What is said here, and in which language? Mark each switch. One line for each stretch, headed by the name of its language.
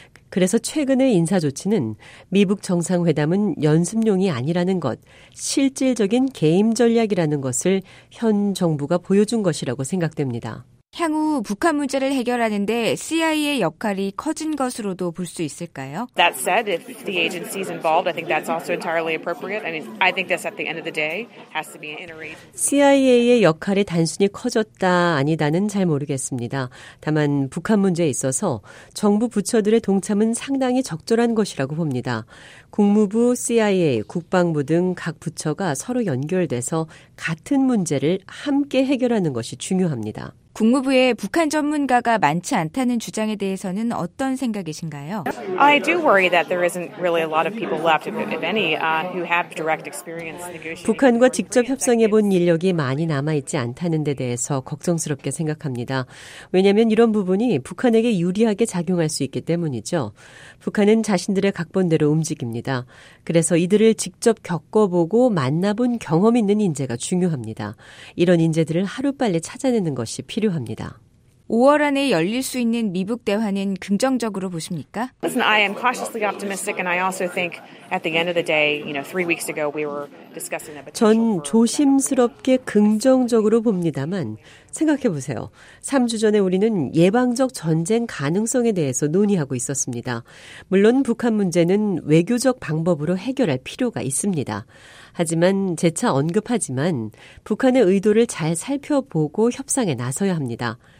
Korean: 그래서 최근의 인사조치는 미북 정상회담은 연습용이 아니라는 것, 실질적인 게임 전략이라는 것을 현 정부가 보여준 것이라고 생각됩니다. 향후 북한 문제를 해결하는데 CIA의 역할이 커진 것으로도 볼 수 있을까요?
English: That said, if the agency's involved, I think that's also entirely appropriate. I mean, I think this at the end of the day has to be an interagency.
Korean: CIA의 역할이 단순히 커졌다 아니다는 잘 모르겠습니다. 다만 북한 문제에 있어서 정부 부처들의 동참은 상당히 적절한 것이라고 봅니다. 국무부, CIA, 국방부 등 각 부처가 서로 연결돼서 같은 문제를 함께 해결하는 것이 중요합니다. 국무부에 북한 전문가가 많지 않다는 주장에 대해서는 어떤 생각이신가요?
English: I do worry that there isn't really a lot of people left, if any, who have direct experience negotiating.
Korean: 북한과 직접 협상해본 인력이 많이 남아있지 않다는 데 대해서 걱정스럽게 생각합니다. 왜냐하면 이런 부분이 북한에게 유리하게 작용할 수 있기 때문이죠. 북한은 자신들의 각본대로 움직입니다. 그래서 이들을 직접 겪어보고 만나본 경험 있는 인재가 중요합니다. 이런 인재들을 하루빨리 찾아내는 것이 필요합니다. 5월 안에 열릴 수 있는 미북 대화는 긍정적으로 보십니까?
English: Listen, I am cautiously optimistic and I also think at the end of the day, you know, 3 weeks ago we were discussing a potential.
Korean: 전 조심스럽게 긍정적으로 봅니다만 생각해 보세요. 3주 전에 우리는 예방적 전쟁 가능성에 대해서 논의하고 있었습니다. 물론 북한 문제는 외교적 방법으로 해결할 필요가 있습니다. 하지만 재차 언급하지만 북한의 의도를 잘 살펴보고 협상에 나서야 합니다.